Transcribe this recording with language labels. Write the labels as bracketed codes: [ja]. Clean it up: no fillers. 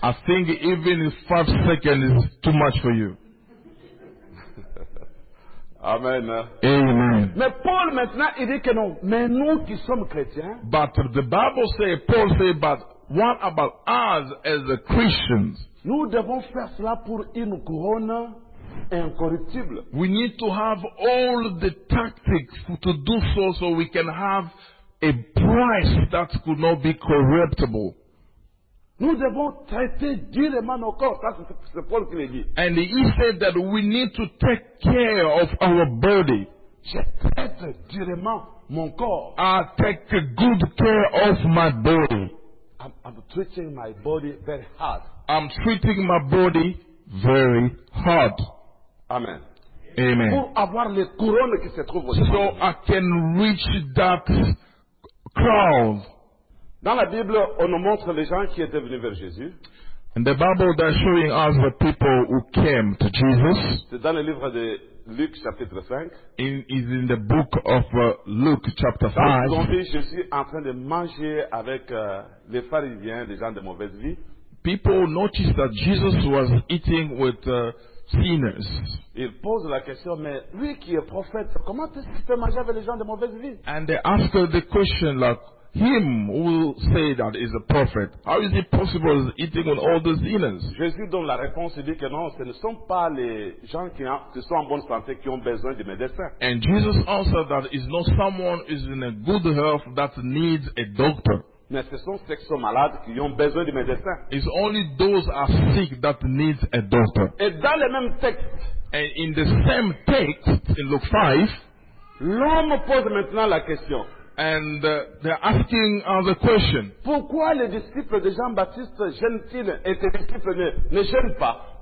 [en] I think even 5 seconds is too much for you. Amen. Amen. [fr] Mais Paul maintenant il dit que non, mais nous qui sommes chrétiens. [en] But the Bible say, Paul say, but what about us as a Christians? [fr] Nous devons faire cela pour une couronne incorruptible. [en] We need to have all the tactics to do so, so we can have a prize that could not be corruptible. [fr] Nous devons traiter durement nos corps. Ça, c'est Paul qui le dit. [en] And he said that we need to take care of our body. [fr] Je traite durement mon corps. [en] I take good care of my body. I'm treating my body very hard. I'm treating my body very hard. Amen. Amen. [fr] Pour avoir les couronnes qui se trouvent [en] aujourd'hui. So I can reach that crown. [fr] Dans la Bible, on nous montre les gens qui étaient venus vers Jésus. [en] In the Bible, they're showing us the people who came to Jesus. [fr] C'est dans le livre de Luc, chapitre 5. [en] It's in the book of Luke, chapter 5. [fr] Ils ont vu Jésus en train de manger avec les pharisiens, les gens de mauvaise vie. [en] People noticed that Jesus was eating with sinners. [fr] Il pose la question, mais lui qui est prophète, comment est-ce qu'il peut manger avec les gens de mauvaise vie? [en] And they ask the question like, him who will say that is a prophet, how is it possible eating with all the sinners? [fr] Jésus donne la réponse et dit que non, ce ne sont pas les gens qui sont en bonne santé qui ont besoin de médecins. [en] And Jesus answered that it's not someone who is in a good health that needs a doctor. [fr] Mais ce sont ceux qui sont malades qui ont besoin de médecins. [en] It's only those who are sick that needs a doctor. [fr] Et dans le même texte, [en] and in the same text, in Luke 5, [fr] l'homme pose maintenant la question. [en] And they're asking the question. [fr] Pourquoi les disciples de Jean-Baptiste gênent-ils et tes disciples ne gênent pas?